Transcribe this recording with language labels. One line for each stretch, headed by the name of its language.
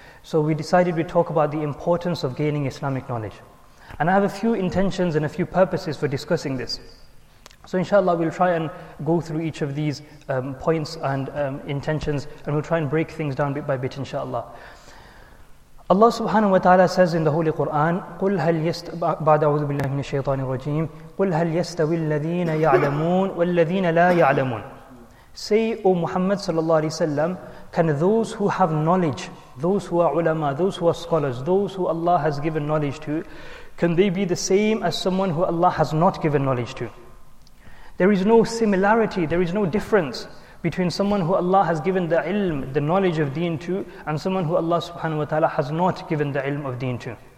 English: So we decided we'd talk about the importance of gaining Islamic knowledge. And I have a few intentions and a few purposes for discussing this. So inshallah, we'll try and go through each of these points and intentions, and we'll try and break things down bit by bit inshallah. Allah subhanahu wa ta'ala says in the Holy Quran,
Arabic: قُلْ هَلْ يَسْتَوِي بعد أعوذ بالله من الشيطان الرجيم قُلْ هَلْ يَسْتَوِي الَّذِينَ يَعْلَمُونَ وَالَّذِينَ لَا يَعْلَمُونَ.
English: Say, O Muhammad sallallahu alayhi wa sallam, can those who have knowledge, those who are ulama, those who are scholars, those who Allah has given knowledge to, can they be the same as someone who Allah has not given knowledge to? There is no similarity, there is no difference between someone who Allah has given the ilm, the knowledge of deen to, and someone who Allah subhanahu wa ta'ala has not given the ilm of deen to.